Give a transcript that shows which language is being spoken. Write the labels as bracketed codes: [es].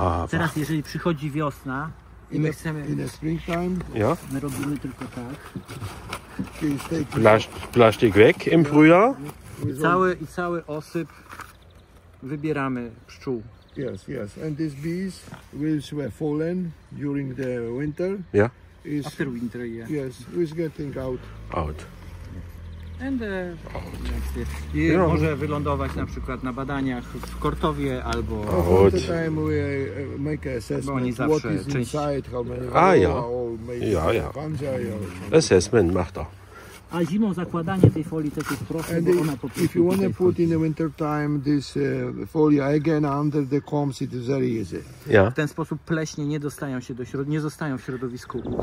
[pl] Teraz, jeżeli przychodzi wiosna i my chcemy. [en] In the springtime, [pl] my robimy tylko tak. [de] Plastik weg im Frühjahr. [pl] I cały osyp wybieramy pszczół. [en] Yes, yes. And these bees, which were fallen during the winter. Yeah. Is after winter, yeah. Yes, it's getting out. Out. And out. Next year. [pl] Może wylądować na przykład na badaniach w Kortowie albo... [en] Out. The time we make an assessment what is inside, how many... Assessment, mach to. [pl] A zimą zakładanie tej folii też jest proste, [en] and [pl] bo ona po prostu [en] if you want to put in the winter time this folia again under the combs, it is very easy. Yeah. [pl] W ten sposób pleśnie nie dostają się do środ- nie zostają w środowisku.